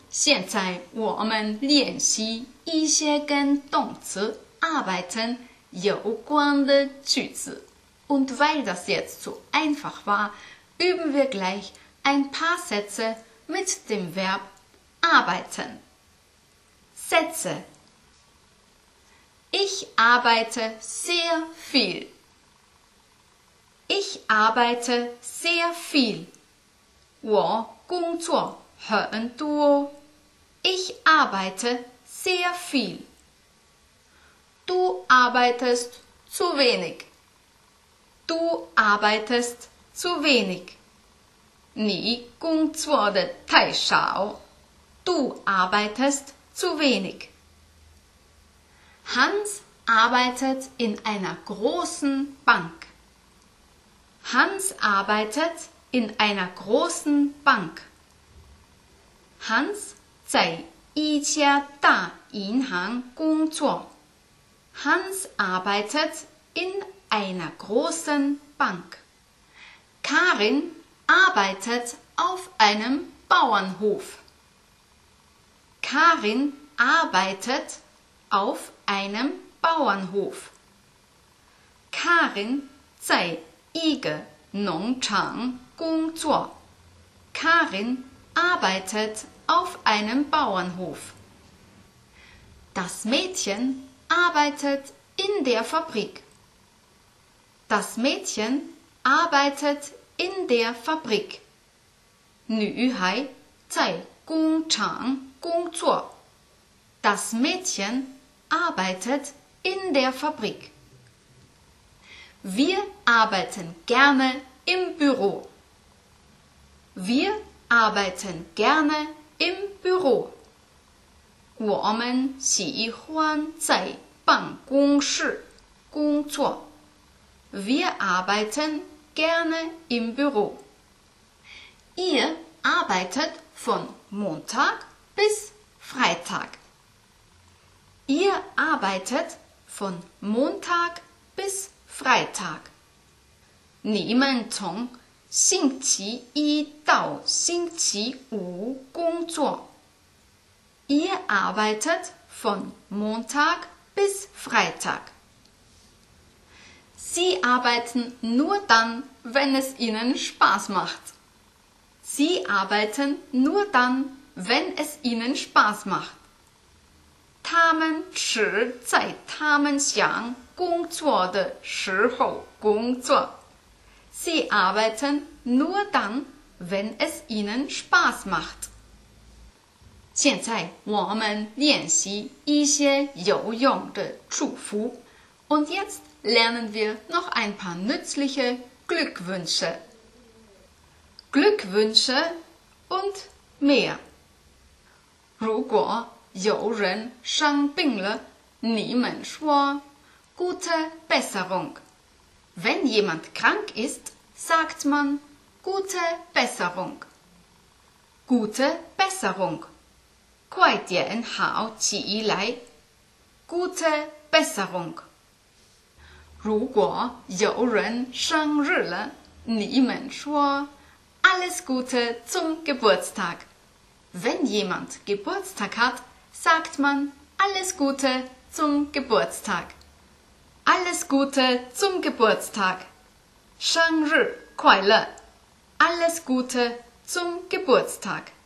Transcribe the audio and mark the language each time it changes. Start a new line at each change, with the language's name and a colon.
Chinese: 现在我们练习一些跟动词 arbeiten 有关的句子。
German: Und weil das jetzt so einfach war, üben wir gleich ein paar Sätze mit dem Verb arbeiten. Sätze. Ich arbeite sehr viel. Ich arbeite sehr viel.
Chinese: 我工作很多。
German: Ich arbeite sehr viel. Du arbeitest zu wenig. Du arbeitest zu wenig.
Chinese: 你工作的太少。
German: Du arbeitest zu wenig. Hans arbeitet in einer großen Bank. Hans arbeitet in einer großen Bank.
Chinese: Hans 在一家大银行工作。
German: Hans arbeitet in einer großen Bank. Karin arbeitet auf einem Bauernhof. Karin arbeitet auf einem Bauernhof.
Chinese: Karin 在一个农场工作。
German: Karin arbeitet auf einem Bauernhof. Das Mädchen arbeitet in der Fabrik. Das Mädchen arbeitet in der Fabrik.
Chinese: 女孩在工厂工作。
German: Das Mädchen arbeitet in der Fabrik. Wir arbeiten gerne im Büro. Wir arbeiten gerne im Büro.
Chinese: 我们喜欢在办公室工作。
German: Wir arbeiten gerne im Büro. Ihr arbeitet von Montag bis Freitag. Ihr arbeitet von Montag bis Freitag.
Chinese: 你们从星期一到星期五工作。
German: Ihr arbeitet von Montag bis Freitag. Sie arbeiten nur dann, wenn es ihnen Spaß macht. Sie arbeiten nur dann, wenn es ihnen Spaß macht.
Chinese: 他们只在他们想工作的时候工作。
German: Sie arbeiten nur dann, wenn es ihnen Spaß macht.
Chinese: 现在我们练习一些有用的祝福。
German: Und jetzt lernen wir noch ein paar nützliche Glückwünsche. Glückwünsche und mehr.
Chinese: 如果有人生病了，你们说
German: Gute Besserung. Wenn jemand krank ist, sagt man Gute Besserung. Gute Besserung.
Chinese: 快点好起来。
German: Gute Besserung.
Chinese: 如果有人生日了，你们说
German: Alles Gute zum Geburtstag. Wenn jemand Geburtstag hat,sagt man alles Gute zum Geburtstag. Alles Gute zum Geburtstag.
Chinese: 生日快乐。
German: Alles Gute zum Geburtstag.